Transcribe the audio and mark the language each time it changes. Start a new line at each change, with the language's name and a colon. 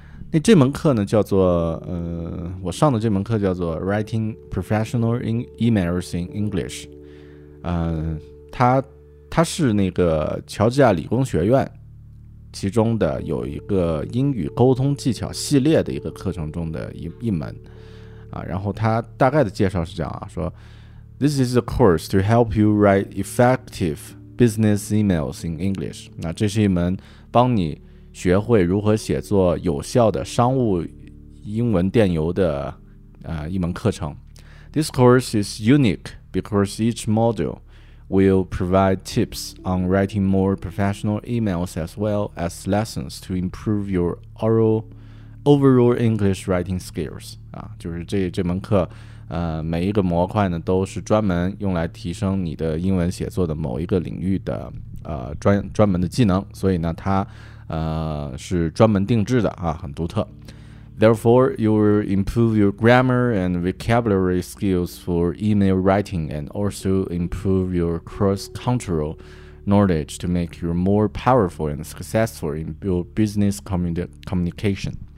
Chinese: 那这门课呢，叫做我上的这门课叫做 Writing Professional Emails in English。它是那个乔治亚理工学院其中的有一个英语沟通技巧系列的一个课程中的一门。然后他大概的介绍是这样啊，说
English: This is a course to help you write effective business emails in English。
Chinese: 那这是一门帮你学会如何写作有效的商务英文电邮的一门课程。
English: This course is unique because each module will provide tips on writing more professional emails as well as lessons to improve your overall English writing skills。
Chinese: 就是这门课每一个模块呢都是专门用来提升你的英文写作的某一个领域的专门的技能，所以呢它是专门定制的啊，很独特。
English: Therefore, you will improve your grammar and vocabulary skills for email writing and also improve your cross-cultural knowledge to make you more powerful and successful in your business communication。